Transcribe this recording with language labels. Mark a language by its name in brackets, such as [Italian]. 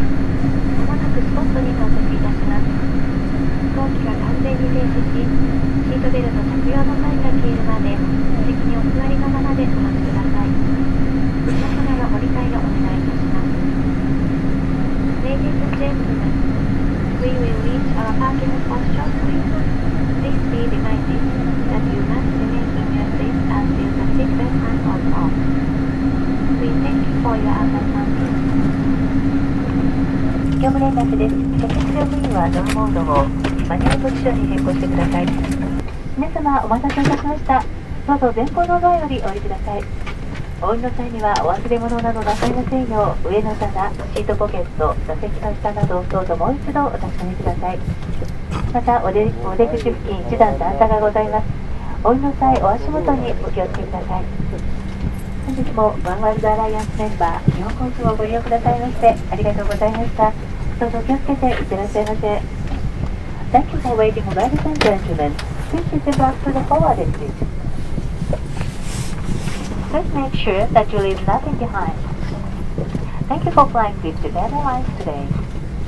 [Japanese] まもなくスポットに到着いたします。飛行機が完全に停止し、シートベルト着用のサインが消えるまで、座席にお座りのままでお待ちください。皆様のご理解をお願いいたします。 [English] Ladies and gentlemen, we will reach our parking spot shortly. Please be reminded that you must remain in your seat until the seatbelt sign goes off. We thank you for your understanding. [Japanese] 業務連絡です。客室乗務員はドアモードをマニュアルポジションに変更してください。皆様お待たせいたしました。どうぞ前方のドアよりお降りください。お降りの際にはお忘れ物などなさいませんよう、上の棚、シートポケット、座席の下などをどうぞもう一度お確かめください。またお出口付近一段段差がございます。お降りの際お足元にお気をつけください。本日もワンワールドアライアンスメンバー日本航空をご利用くださいましてありがとうございました。どうぞ気をつけていってらっしゃいませ。 [English] Thank you for waiting, ladies and gentlemen. Please sit back to the forwarded seat. Please make sure that you leave nothing behind. Thank you for flying with Japan Airlines today.